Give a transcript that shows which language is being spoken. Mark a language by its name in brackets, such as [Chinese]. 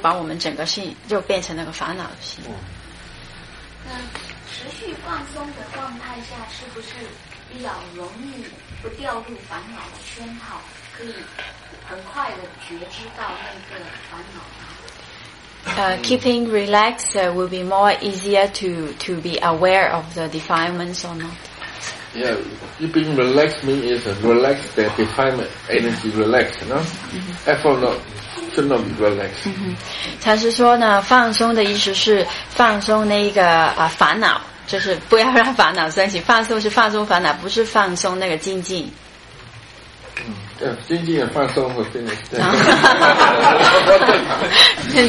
[Chinese] 禅师说呢，如果我们有觉知的时候呢，就是烦恼升起的时候，我们也能知道现在烦恼升起了。那我们知道的话呢，那这个烦恼它就不会把我们整个心都盖住了，是吧？那就是如果没有觉知的话呢，烦恼升起我们也不知道，那很快呢，它就把我们整个心就变成那个烦恼心。那持续放松的状态下，是不是？比较容易不掉入烦恼的圈套，可以很快的觉知到那个烦恼。 [English] Keeping relaxed will be more easier to be aware of the defilements or not. Yeah, keeping relaxed means relax the defilement energy, relax, you know? Mm-hmm. Effort not, should not be relaxed. [Chinese] 禅师说呢，放松的意思是放松那个烦恼，就是不要让烦恼升起。放松是放松烦恼，不是放松那个精进。精进也放松了，真的。